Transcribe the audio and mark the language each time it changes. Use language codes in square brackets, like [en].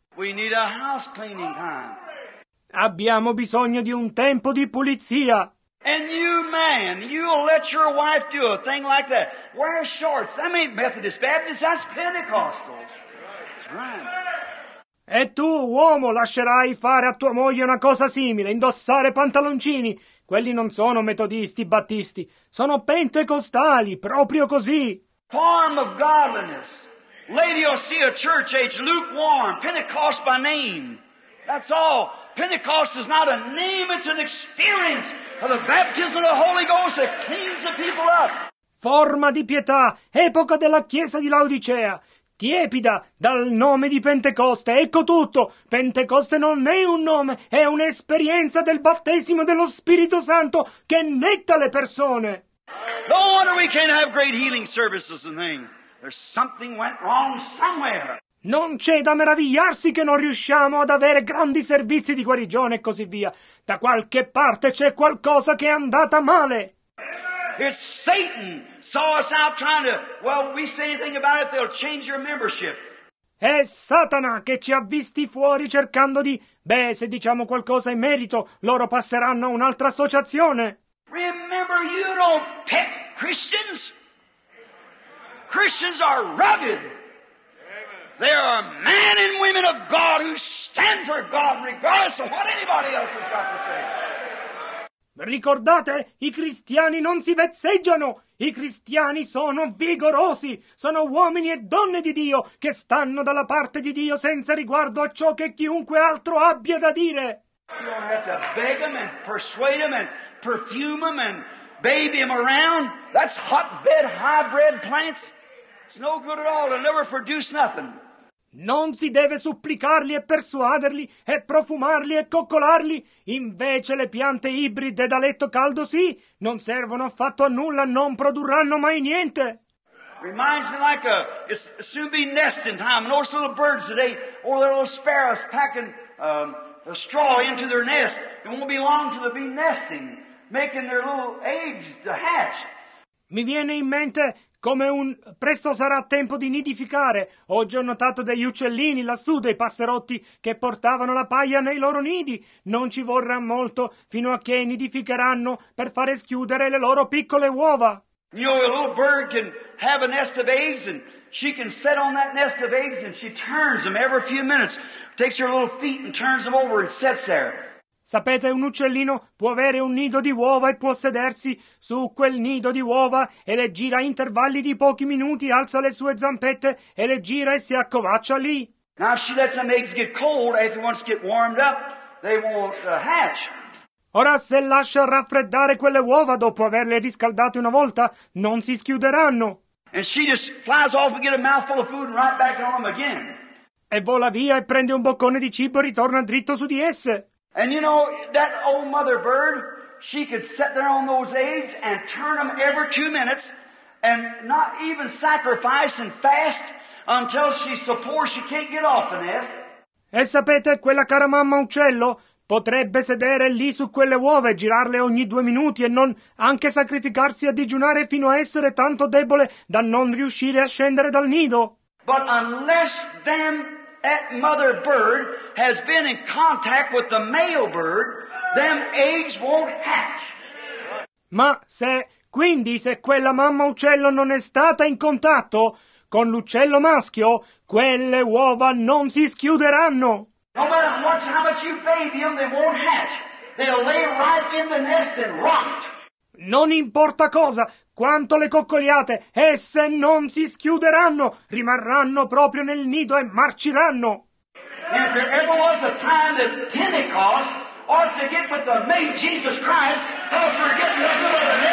[en] We need a house cleaning time. [it] Abbiamo bisogno di un tempo di pulizia. [en] And you man, you'll let your wife do a thing like that. Wear shorts. That ain't Methodist Baptist, that's Pentecostal. That's right. [it] E tu, uomo, lascerai fare a tua moglie una cosa simile, indossare pantaloncini. Quelli non sono metodisti, battisti. Sono pentecostali, proprio così. [en] Form of godliness. Lady, you'll see a church age lukewarm, Pentecost by name. That's all. Pentecost is not a name, it's an experience of the baptism of the Holy Ghost that cleans the people up. [it] Forma di pietà, epoca della chiesa di Laodicea. Tiepida, dal nome di Pentecoste, ecco tutto. Pentecoste non è un nome, è un'esperienza del battesimo dello Spirito Santo che netta le persone. [en] No wonder we can't have great healing services and things. There's something went wrong somewhere. [it] Non c'è da meravigliarsi che non riusciamo ad avere grandi servizi di guarigione e così via. Da qualche parte c'è qualcosa che è andata male. [en] It's Satan. Saw us out trying to, well, we say anything about it, they'll change your membership. [it] È Satana che ci ha visti fuori cercando di, beh, se diciamo qualcosa in merito, loro passeranno a un'altra associazione. [en] Remember, you don't pet Christians. Christians are rugged. They are men and women of God who stand for God regardless of what anybody else has got to say. [it] Ricordate, i cristiani non si vezzeggiano. I cristiani sono vigorosi, sono uomini e donne di Dio che stanno dalla parte di Dio senza riguardo a ciò che chiunque altro abbia da dire. [en] You don't have to beg them and persuade them and perfume them and baby them around. That's hotbed hybrid plants. It's no good at all. They'll never produce nothing. [it] Non si deve supplicarli e persuaderli e profumarli e coccolarli. Invece le piante ibride da letto caldo sì, non servono affatto a nulla, non produrranno mai niente. [en] Reminds me like a it's soon be nesting time. Those little birds today, or the little sparrows packing a straw into their nest. It won't be long till they'll be nesting, making their little eggs to hatch. [it] Mi viene in mente. Come un presto sarà tempo di nidificare. Oggi ho notato degli uccellini lassù, dei passerotti che portavano la paglia nei loro nidi. Non ci vorrà molto fino a che nidificheranno per fare schiudere le loro piccole uova. [en] You know, a little bird can have a nest of eggs and she can sit on that nest of eggs and she turns them every few minutes. Takes her little feet and turns them over and sits there. [it] Sapete, un uccellino può avere un nido di uova e può sedersi su quel nido di uova e le gira a intervalli di pochi minuti, alza le sue zampette e le gira e si accovaccia lì. [en] Now if she lets them eggs get cold, if they once get warmed up, they won't hatch. [it] Ora se lascia raffreddare quelle uova dopo averle riscaldate una volta, non si schiuderanno. [en] And she just flies off and get a mouthful of food and right back on them again. [it] E vola via e prende un boccone di cibo e ritorna dritto su di esse. [en] And you know, that old mother bird, she could sit there on those eggs and turn them every 2 minutes and not even sacrifice and fast until she's so poor she can't get off the nest. [it] E sapete, quella cara mamma uccello potrebbe sedere lì su quelle uova e girarle ogni 2 minuti e non anche sacrificarsi a digiunare fino a essere tanto debole da non riuscire a scendere dal nido. [en] But unless them... That mother bird has been in contact with the male bird, them eggs won't hatch. [it] Ma se, quindi, se quella mamma uccello non è stata in contatto con l'uccello maschio, quelle uova non si schiuderanno. [en] No matter how much you feed them, they won't hatch. They'll lay right in the nest and rot. [it] Non importa cosa, quanto le coccoliate, esse non si schiuderanno, rimarranno proprio nel nido e marciranno. [en] If there ever was a time that Pentecost ought to get with the main Jesus Christ, I'll forget the other one.